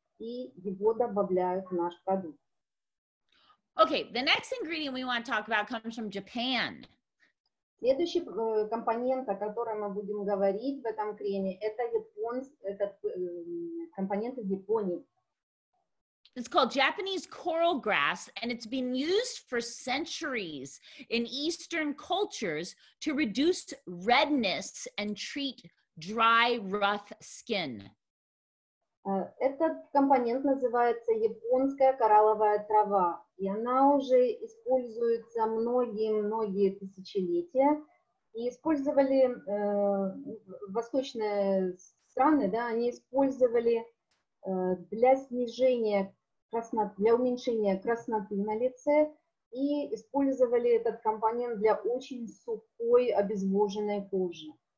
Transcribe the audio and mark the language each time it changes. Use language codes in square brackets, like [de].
[ru] И его добавляют в наш продукт. [en] Okay, the next ingredient we want to talk about comes from Japan. [ru] Следующий компонент, о котором мы будем говорить в этом креме, это компонент из Японии. [en] It's called Japanese coral grass, and it's been used for centuries in Eastern cultures to reduce redness and treat dry, rough skin. [ru] Этот компонент называется японская коралловая трава, и она уже используется многие-многие тысячелетия, и использовали восточные страны, да, они использовали для снижения красноты, для уменьшения красноты на лице, и использовали этот компонент для очень сухой обезвоженной кожи.